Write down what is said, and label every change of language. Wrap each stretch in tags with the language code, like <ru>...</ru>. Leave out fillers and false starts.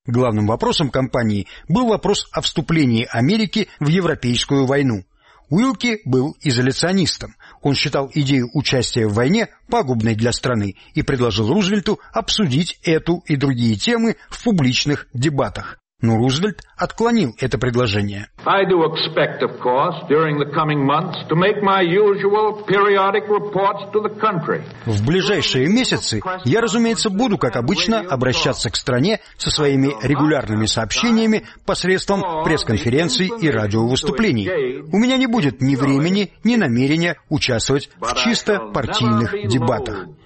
<ru>Главным вопросом кампании был вопрос о вступлении Америки в Европейскую войну. Уилки был изоляционистом. Он считал идею участия в войне пагубной для страны и предложил Рузвельту обсудить эту и другие темы в публичных дебатах. Но Рузвельт отклонил это предложение.</ru> <en>I do expect, of course, during the coming months to make my usual periodic reports to the country.</en> <ru>В ближайшие месяцы я, разумеется, буду, как обычно, обращаться к стране со своими регулярными сообщениями посредством пресс-конференций и радиовыступлений. У меня не будет ни времени, ни намерения участвовать в чисто партийных дебатах.</ru>